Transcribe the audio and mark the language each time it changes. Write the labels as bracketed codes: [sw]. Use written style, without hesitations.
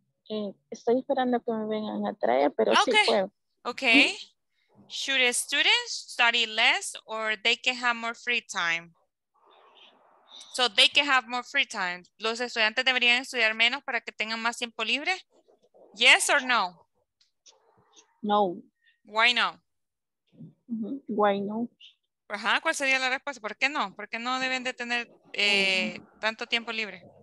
[es] Estoy esperando que me vengan a traer, pero okay. Sí puedo. Okay. [en] Should students study less or they can have more free time? So they can have more free time. [es] ¿Los estudiantes deberían estudiar menos para que tengan más tiempo libre? [en] Yes or no? No. Why no? Why no? [es] Ajá, ¿cuál sería la respuesta? ¿Por qué no? ¿Por qué no deben de tener tanto tiempo libre?